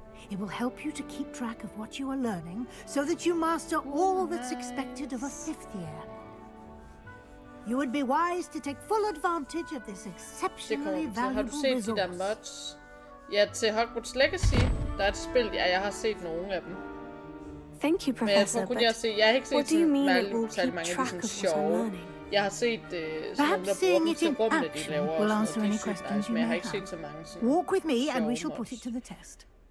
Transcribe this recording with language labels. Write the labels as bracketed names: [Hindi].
[English] It will help you to keep track of what you are learning, so that you master all that's expected of a fifth year. You would be wise to take full advantage of this exceptionally valuable resource. [Danish] Har du set de der mods? Ja, til Hogwarts Legacy. Der er et spil, ja, jeg har set nogle af dem. [English] Thank you, professor. [Danish] Men jeg tror kun, jeg har set... Jeg har ikke set særlig mange af de sådan sjove. Jeg har set nogle, der bruger dem til rummene, de laver også, og de er sygt nice, men jeg har ikke set så mange sådan sjove mods. [English] Walk with me, and we shall put it to the test.